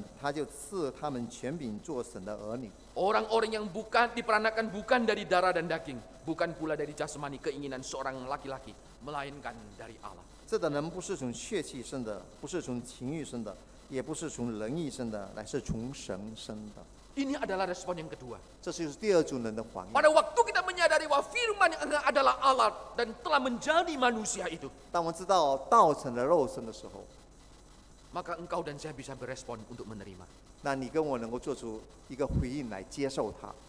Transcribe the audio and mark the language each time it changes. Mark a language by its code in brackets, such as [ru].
[zh] 凡接待他的，就是信他名的人，他就赐他们权柄做神的儿女。 [id] Orang-orang yang bukan diperanakan bukan dari darah dan daging, bukan pula dari jasmani keinginan seorang laki-laki, melainkan dari Allah. [zh] 这等人不是从血气生的，不是从情欲生的，也不是从人意生的，乃是从神生的。 [id] Ini adalah respon yang kedua. [zh] 这是第二种人的反应。 [id] Pada waktu kita menyadari bahwa firman yang adalah Allah dan telah menjadi manusia itu. [zh] 当我们知道道成了肉身的时候。 [id] Maka engkau dan saya bisa berespon untuk menerima. [zh] 那你跟我能够做出一个回应来接受他。